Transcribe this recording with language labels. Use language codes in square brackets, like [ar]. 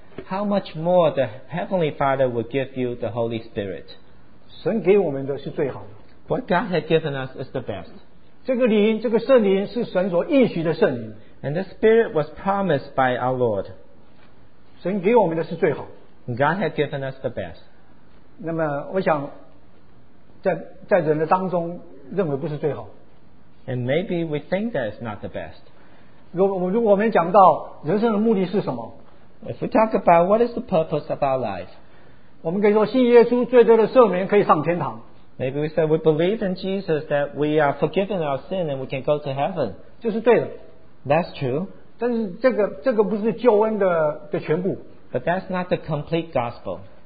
[en] How much more the Heavenly Father would give you the Holy Spirit? [zh] 神给我们的是最好的。 [en] What God has given us is the best. [zh] 这个灵, 这个圣灵是神所应许的圣灵。 [en] And the Spirit was promised by our Lord. [zh] 神给我们的是最好, [en] God had given us the best. [zh] 那么我想在人的当中, [en] and maybe we think that it's not the best. [zh] 如果我们讲到人生的目的是什么, [en] if we talk about what is the purpose of our life, [zh] 我们可以说信耶稣罪得的赦免可以上天堂。 [en] Maybe we say we believe in Jesus that we are forgiven our sin and we can go to heaven. [zh] 这是对的。 [en] That's true. [zh] 但是这个不是救恩的全部。 [en] But that's not the complete gospel.